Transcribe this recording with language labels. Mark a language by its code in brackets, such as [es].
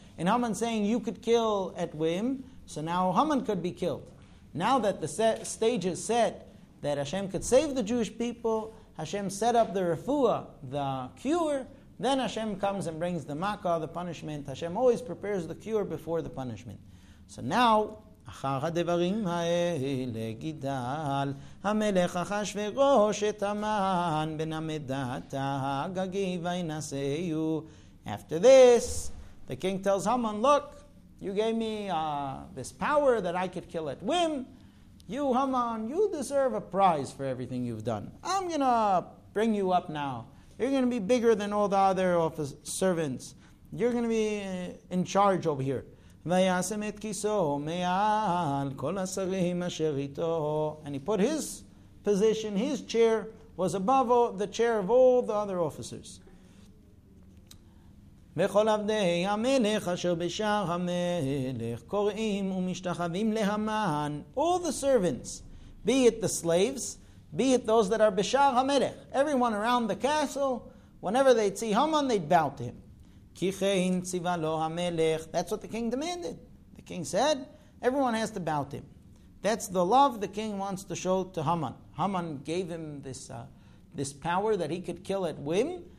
[en] In Haman saying you could kill at whim, so now Haman could be killed. Now that the stage is set, that Hashem could save the Jewish people, Hashem set up the refuah, the cure, then Hashem comes and brings the makah, the punishment. Hashem always prepares the cure before the punishment. So now, [he] אחר הדברים האלה גידל המלך אחשוורוש את המן בן המדת הגגי וינשאו. [en] After this, the king tells Haman, look, you gave me this power that I could kill at whim. You, Haman, you deserve a prize for everything you've done. I'm going to bring you up now. You're going to be bigger than all the other office servants. You're going to be in charge over here. [he] Vayasem et kiso me'al kol ha'sarim asher ito. [en] And he put his position, his chair, was above the chair of all the other officers. [he] וכל עבדי המלך אשר בשער המלך קוראים ומשתחווים להמן. [en] All the servants, be it the slaves, be it those that are [he] בשער המלך, [en] everyone around the castle, whenever they'd see Haman, they'd bow to him. [he] כי כן ציווה לו המלך. [en] That's what the king demanded. The king said, everyone has to bow to him. That's the love the king wants to show to Haman. Haman gave him this power that he could kill at whim.